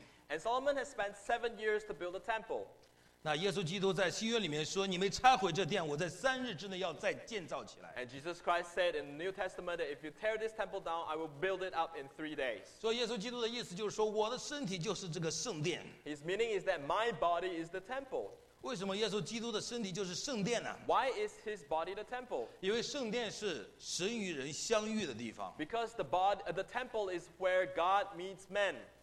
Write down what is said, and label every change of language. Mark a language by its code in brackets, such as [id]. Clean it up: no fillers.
[en] And Solomon has spent 7 years to build a temple. [zh] 那耶稣基督在新约里面说，你们拆毁这殿，我在三日之内要再建造起来。 [en] And Jesus Christ said in the New Testament that if you tear this temple down, I will build it up in 3 days. [zh] 所以耶稣基督的意思就是说，我的身体就是这个圣殿。 [en] His meaning is that my body is the temple. [zh] 为什么耶稣基督的身体就是圣殿呢？ [en] Why is his body the temple? [zh] 因为圣殿是神与人相遇的地方。 [en] Because the temple is where God meets men.